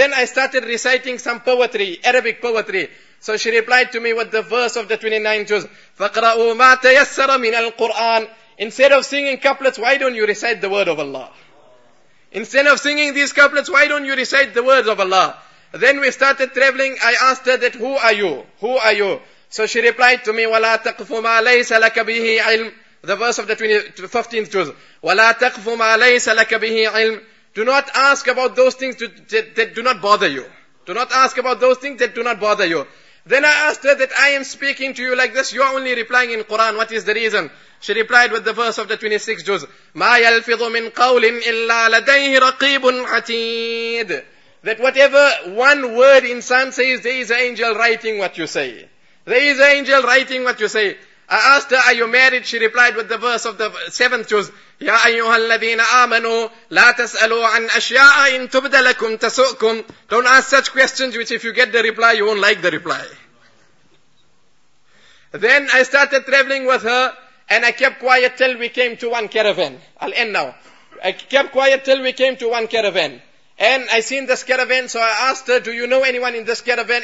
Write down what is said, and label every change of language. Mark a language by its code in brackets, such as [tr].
[en] Then I started reciting some poetry, Arabic poetry. So she replied to me with the verse of the 29th juz, [ar] فَقْرَأُوا مَا تَيَسَّرَ مِنَ الْقُرْآنِ. [en] Instead of singing couplets, why don't you recite the word of Allah? Instead of singing these couplets, why don't you recite the words of Allah? Then we started traveling. I asked her that, who are you? Who are you? So she replied to me, [ar] وَلَا تَقْفُ مَا لَيْسَ لَكَ بِهِ عِلْمٍ. [en] The verse of the 15th juz, [ar] وَلَا تَقْفُ مَا لَيْسَ لَكَ بِهِ عِلْمٍ. [en] Do not ask about those things that do not bother you. Do not ask about those things that do not bother you. Then I asked her that, I am speaking to you like this, you are only replying in Quran, what is the reason? She replied with the verse of the 26th juz, [ar] مَا يَلْفِظُ مِنْ قَوْلٍ إِلَّا لَدَيْهِ رَقِيبٌ عَتِيدٌ. [en] That whatever one word insan says, there is an angel writing what you say. There is an angel writing what you say. I asked her, are you married? She replied with the verse of the 7th juz, [ar] يَا أَيُّهَا الَّذِينَ آمَنُوا لَا تَسْأَلُوا عَنْ أَشْيَاءَ إِن تُبْدَ لَكُمْ تَسُؤْكُمْ. [en] Don't ask such questions which if you get the reply, you won't like the reply. Then I started traveling with her, and I kept quiet till we came to one caravan. I'll end now. I kept quiet till we came to one caravan. And I seen this caravan, so I asked her, do you know anyone in this caravan?